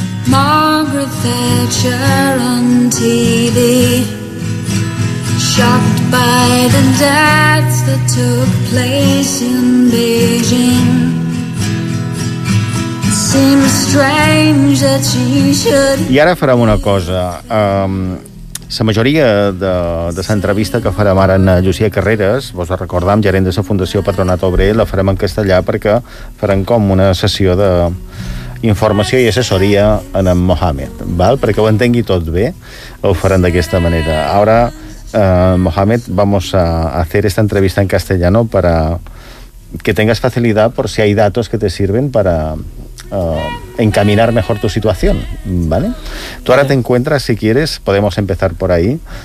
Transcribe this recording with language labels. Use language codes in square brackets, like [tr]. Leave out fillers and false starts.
[en] Margaret Thatcher on TV, shocked by the deaths that took place in Beijing. Seems strange that she should... [ca] I ara farem una cosa. La majoria de l'entrevista que farem ara en Llucia Carreras, vos la recordem, gerent de la Fundació Patronat Obrer, la farem en castellà perquè farem com una sessió d'informació i assessoria en Mohamed, val? Perquè ho entengui tot bé, ho farem d'aquesta manera. [es] Ara, Mohamed, vamos a hacer esta entrevista en castellano para que tengas facilidad por si hay datos que te sirven para... encaminar mejor tu situación, ¿vale? Tú ahora te encuentras, si quieres, podemos empezar por ahí.